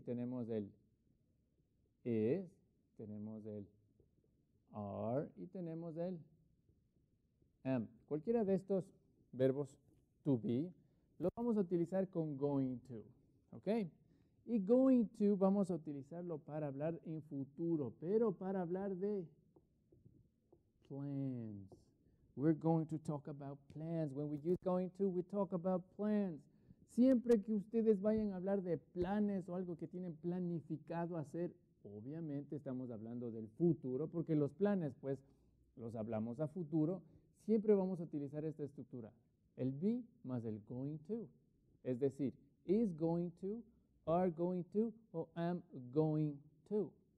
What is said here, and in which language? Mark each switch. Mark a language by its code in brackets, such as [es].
[es] Tenemos el is, tenemos el are y tenemos el am. Cualquiera de estos verbos to be lo vamos a utilizar con going to, ¿ok? Y going to vamos a utilizarlo para hablar en futuro, pero para hablar de plans. [en] We're going to talk about plans. When we use going to, we talk about plans. [es] Siempre que ustedes vayan a hablar de planes o algo que tienen planificado hacer, obviamente estamos hablando del futuro, porque los planes, pues, los hablamos a futuro. Siempre vamos a utilizar esta estructura. El be más el going to. Es decir, is going to, are going to, o am going to.